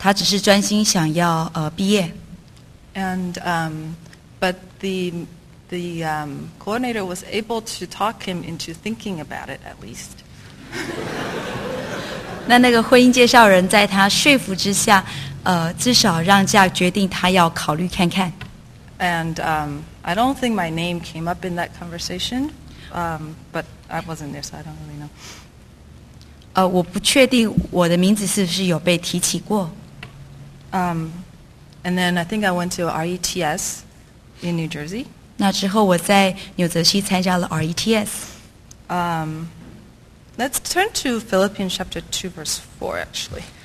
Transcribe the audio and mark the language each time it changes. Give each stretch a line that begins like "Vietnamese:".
Chinese: 那时候，Jack就说其实他没有想过结婚的，因为他只是专心想要毕业。
English: And but the coordinator was able to talk him into thinking about it at least.
Chinese: 那个婚姻介绍人在他说服之下。至少让Jack决定他要考虑看看。
English: And I don't think my name came up in that conversation, but I wasn't there, so I don't really know.
Chinese: 我不确定我的名字是不是有被提起过。
English: And then I think I went to RETS in New Jersey.
Chinese: 那之后我在纽泽西参加了RETS。
English: Let's turn to Philippians chapter 2, verse 4, actually.